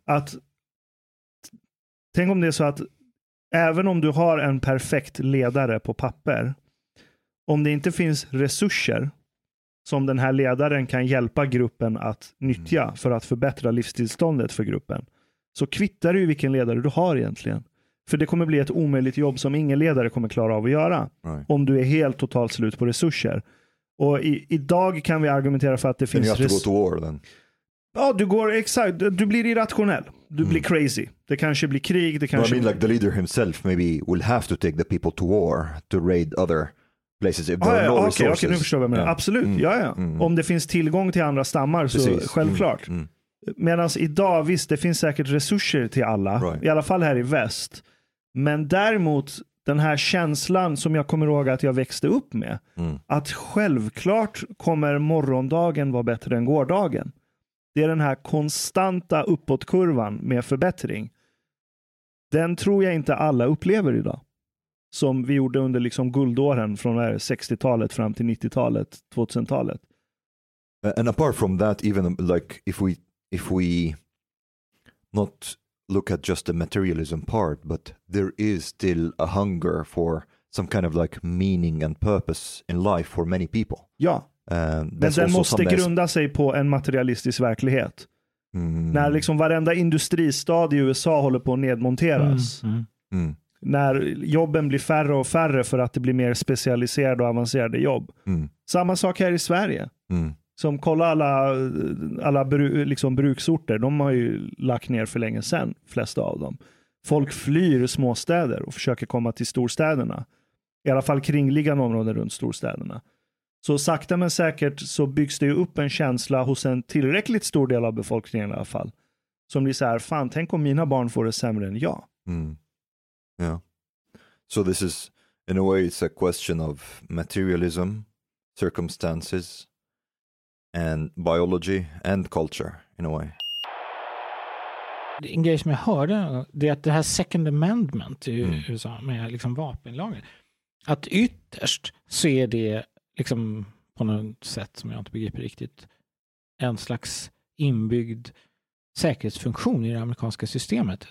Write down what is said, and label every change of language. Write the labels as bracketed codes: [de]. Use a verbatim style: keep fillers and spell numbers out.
[sv] Att tänk om det är så att även om du har en perfekt ledare på papper, om det inte finns resurser som den här ledaren kan hjälpa gruppen att nyttja mm. för att förbättra livstillståndet för gruppen, så kvittar du vilken ledare du har egentligen. För det kommer bli ett omöjligt jobb som ingen ledare kommer klara av att göra right. om du är helt totalt slut på resurser. Och i, idag kan vi argumentera för att det finns... [en] You have to res- go to war, then. [sv] Ja, du går exakt. Du blir irrationell. Du mm. blir crazy. Det kanske blir krig. Det kanske [en] no, I mean [sv] blir... [en] like the leader himself maybe will have to take the people to war to raid other places if there ah, are ja, no okay, resources. [sv] Okej, okay, nu förstår jag vad jag menar. Absolut, mm. ja, ja. Mm. Om det finns tillgång till andra stammar så precis. Självklart. Mm. Mm. Medan idag, visst, det finns säkert resurser till alla. Right. I alla fall här i väst. Men däremot den här känslan som jag kommer ihåg att jag växte upp med. Mm. Att självklart kommer morgondagen vara bättre än gårdagen. Det är den här konstanta uppåtkurvan med förbättring. Den tror jag inte alla upplever idag. Som vi gjorde under liksom guldåren från sextiotalet fram till nittiotalet, tjugohundratalet. [en] And apart from that, even like if we if we not look at just the materialism part, but there is still a hunger for some kind of like meaning and purpose in life for many people. [sv] Ja. Um, Men den måste grunda sig på en materialistisk verklighet. Mm. När liksom varenda industristad i U S A håller på att nedmonteras. Mm. Mm. Mm. När jobben blir färre och färre för att det blir mer specialiserade och avancerade jobb. Mm. Samma sak här i Sverige. Mm. Som kolla alla, alla bru, liksom bruksorter. De har ju lagt ner för länge sedan, flesta av dem. Folk flyr småstäder och försöker komma till storstäderna. I alla fall kringliggande områden runt storstäderna. Så sakta men säkert så byggs det ju upp en känsla hos en tillräckligt stor del av befolkningen i alla fall. Som blir så här, fan, tänk om mina barn får det sämre än jag. Mm. Yeah. [en] So this is, in a way, it's a question of materialism, circumstances, and biology and culture, in a way. [sv] En grej som jag hörde, det är att det här Second Amendment i mm. U S A med liksom vapenlagen, att ytterst så är det liksom på något sätt som jag inte begriper riktigt en slags inbyggd säkerhetsfunktion i det amerikanska systemet.